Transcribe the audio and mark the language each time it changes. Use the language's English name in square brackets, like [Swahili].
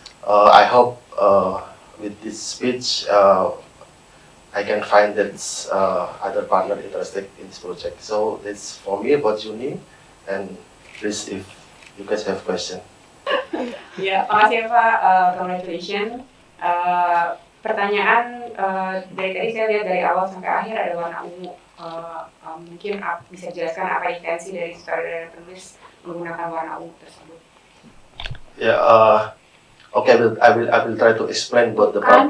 [English] I hope with this speech, I can find that other partner interested in this project. So that's for me about Juni, and please if you guys have question. [Indonesian] Ya, makasih ya Pak, [English] congratulations. [Indonesian] Pertanyaan dari tadi saya lihat dari awal sampai akhir ada warna ungu. Mungkin bisa jelaskan apa intensi dari sutradara dan penulis menggunakan warna ungu tersebut? Ya. [English] Okay, I will try to explain about the purple.